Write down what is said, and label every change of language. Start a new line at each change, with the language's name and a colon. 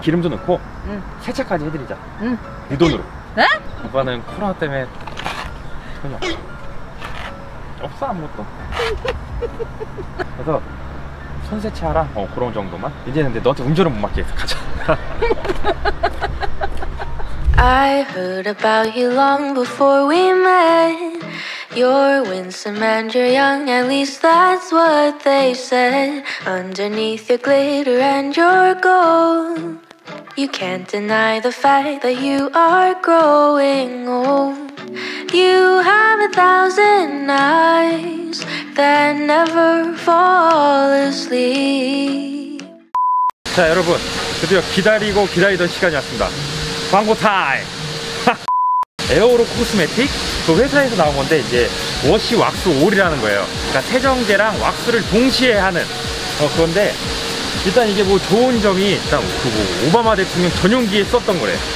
Korean: 기름도 넣고 응. 세차까지 해드리자. 응. 네 돈으로. 네? 오빠는 코로나 때문에 전혀 없어 아무것도. 그래서 손 세차하라. 어, 그런 정도만. 이제는 근데 너한테 운전은 못 맡기겠어. 가자.
English: I heard about you long before we met. You're winsome and you're young, at least that's what they said. Underneath your glitter and your gold, you can't deny the fact that you are growing old. You have a thousand eyes that never fall asleep.
Korean: 자, 여러분, 드디어 기다리고 기다리던 시간이 왔습니다. 광고 타임! 에어오로 코스메틱? 그 회사에서 나온 건데 이제 워시 왁스 올이라는 거예요. 그러니까 세정제랑 왁스를 동시에 하는 어 그런데 일단 이게 뭐 좋은 점이 일단 그 뭐 오바마 대통령 전용기에 썼던 거래.